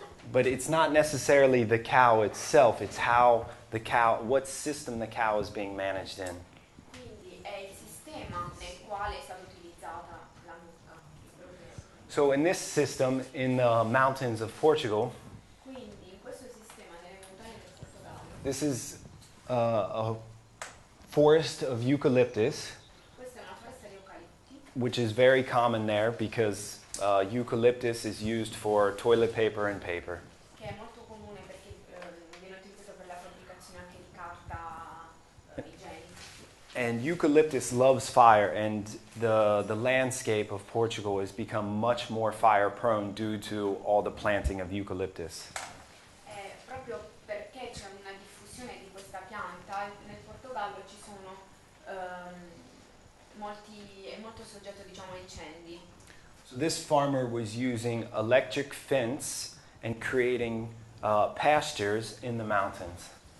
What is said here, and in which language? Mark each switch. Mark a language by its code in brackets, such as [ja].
[en] But it's not necessarily the cow itself, it's how the cow, what system the cow is being managed in. [it] Quindi è il sistema nel quale è stata utilizzata la mucca. [en] So in this system, in the mountains of Portugal, [it] quindi in questo sistema nelle montagne del Portogallo, [en] this is a forest of eucalyptus, [it] questa è una foresta di eucalipti, [en] which is very common there because eucalyptus is used for toilet paper and paper. [it] Che è molto comune perché viene utilizzato per la fabbricazione anche di carta igienica. [en] And eucalyptus loves fire, and the landscape of Portugal has become much more fire prone due to all the planting of eucalyptus. [it] E proprio perché c'è una diffusione di questa pianta nel Portogallo ci sono molti è molto soggetto, diciamo, ai incendi. [en] So this farmer was using electric fence and creating pastures in the mountains.